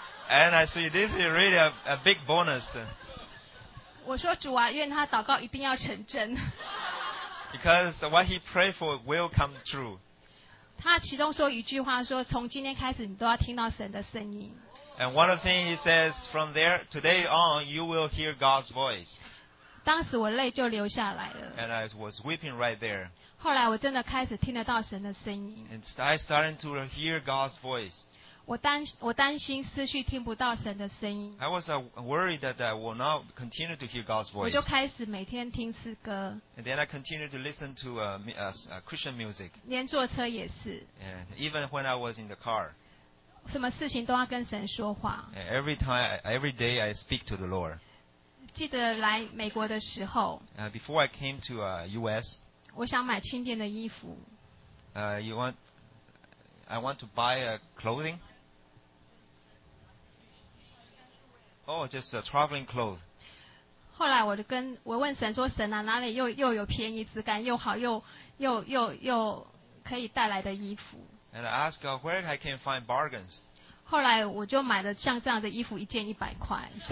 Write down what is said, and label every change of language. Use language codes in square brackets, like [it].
[en] And I see this is really a big bonus. [zh] 我说主啊愿他祷告一定要成真 [en] Because what he prayed for will come true. [zh] 他其中说一句话说从今天开始你都要听到神的声音。 [en] And one of the things he says, from there, today on, you will hear God's voice. [zh] 当时我泪就流下来了。 [en] And I was weeping right there. [zh] 后来我真的开始听得到神的声音。 [en] And I started to hear God's voice. [zh] 我担心失去听不到神的声音。 [en] I was worried that I will not continue to hear God's voice. [zh] 我就开始每天听诗歌。 [en] And then I continued to listen to Christian music. [zh] 连坐车也是。 [en] And even when I was in the car. [zh] 什么事情都要跟神说话。 [en] Every day I speak to the Lord. [zh] 记得来美国的时候。 [en] Before I came to US. [zh] 我想买轻便的衣服。 [en] I want to buy a clothing. Oh, just a traveling clothes. [zh] 后来我问神说神啊哪里又有便宜质感又好又可以带来的衣服。 [en] And I asked God where I can find bargains. [zh] 后来我就买了像这样的衣服一件100块。